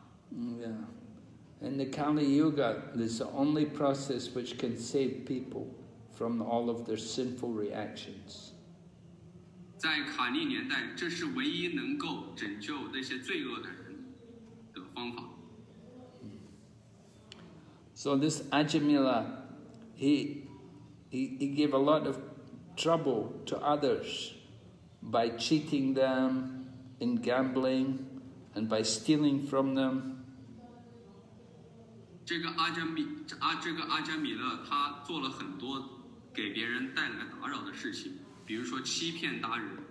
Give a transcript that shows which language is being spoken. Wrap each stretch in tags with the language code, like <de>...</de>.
<en>In the Kali Yuga, this is the only process which can save people from all of their sinful reactions.</en> <zh>在卡利年代，这是唯一能够拯救那些罪恶的人的方法。So</zh> <en>this Ajamila, he gave a lot of trouble to others by cheating them in gambling and by stealing from them.</en> <zh>这个阿加米勒他做了很多给别人带来打扰的事情，比如说欺骗他人。</zh>